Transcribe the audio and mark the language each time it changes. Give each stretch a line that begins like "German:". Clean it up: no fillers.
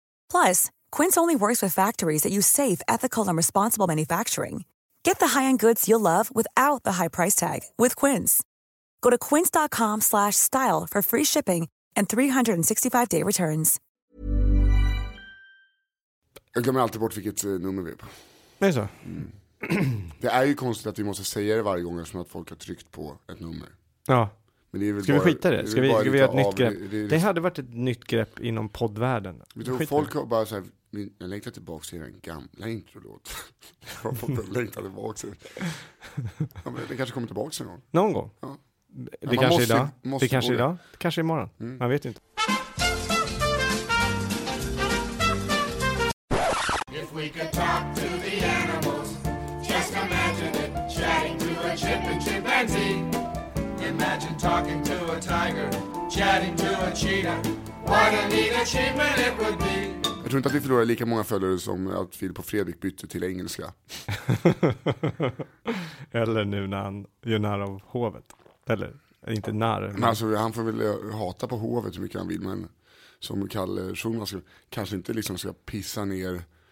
English: Plus, Quince only works with factories that use safe, ethical, and responsible manufacturing. Get the high-end goods you'll love without the high price tag with Quince. Go to quince.com/style for free shipping and 365-day returns.
Swedish: Jag glömmer alltid bort vilket nummer vi är på. Det är så. Det är ju konstigt att vi måste säga det varje gång som att folk har tryckt på ett nummer. Ja. Men det är väl ska bara, vi skita det? Ska vi göra ett nytt grepp? Det hade varit ett nytt grepp inom poddvärlden. Vi tror folk har bara så här... Jag längtar tillbaka till den gamla introlåt. Jag längtar tillbaka till den. Den kanske kommer tillbaka till någon. Någon gång? Ja. Det kanske måste, idag. Måste det kanske idag. Det kanske imorgon. Mm. Man vet inte.
English: If we could talk to the animals, just imagine it, chatting to a chip and chimpanzee. Imagine talking to a tiger, chatting to a cheetah. What a neat achievement it would be.
Swedish: Jag tror inte att vi förlorar lika många följare som att Filip och Fredrik bytte till engelska. Eller nu när han gör när av hovet. Eller, inte när. Men alltså, han får väl hata på hovet hur mycket han vill. Men som Kalle Schulman ska, kanske inte liksom ska pissa ner.